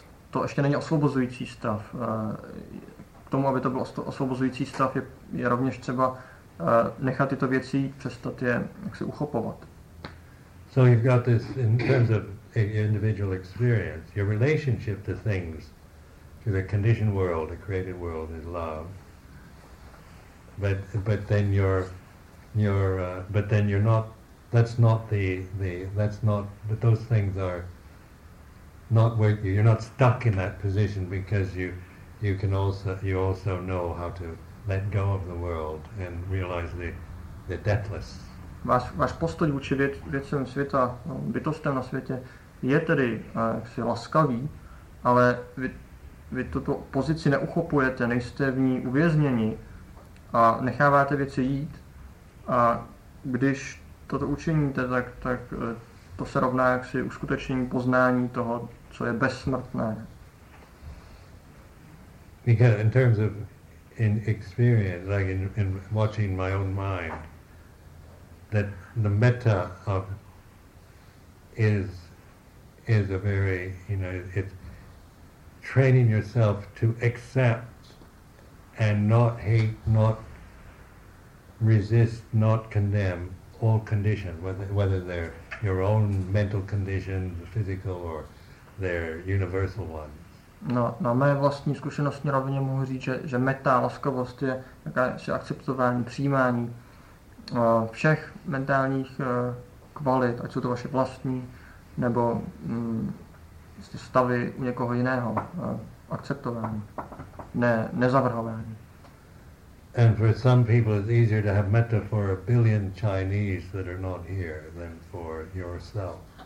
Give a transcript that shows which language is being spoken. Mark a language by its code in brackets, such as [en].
[cs] To ještě není osvobozující stav. K tomu, aby to byl osvobozující stav, je rovněž třeba nechat tyto věci přestat je jaksi uchopovat. [en] So you've got this in terms of individual experience, your relationship to things the conditioned world, the created world, is love. But then you're not. That's not the. That's not. But those things are not where you're not stuck in that position, because you also know how to let go of the world and realize the deathless. [cs] Váš postoj vůči věcem světa, bytostem na světě, je tedy jaksi laskavý, ale vy tuto pozici neuchopujete, nejste v ní uvězněni a necháváte věci jít. A když toto učiníte, tak to se rovná jaksi uskutečnění poznání toho, co je bezsmrtné. [en] Because in terms of in experience, like in watching my own mind, that the metta of is a very, you know, it's training yourself to accept and not hate, not resist, not condemn all conditions, whether they're your own mental conditions, physical, or they're universal ones. [cs] No, na mé vlastní zkušenostní rovině mohu říct, že metta, laskavost, je jakési akceptování, přijímání všech mentálních kvalit, ať jsou to vaše vlastní, nebo stavy u někoho jiného, akceptování, nezavrhování. [en] And for some people it's easier to have metta for a billion Chinese that are not here than for yourself.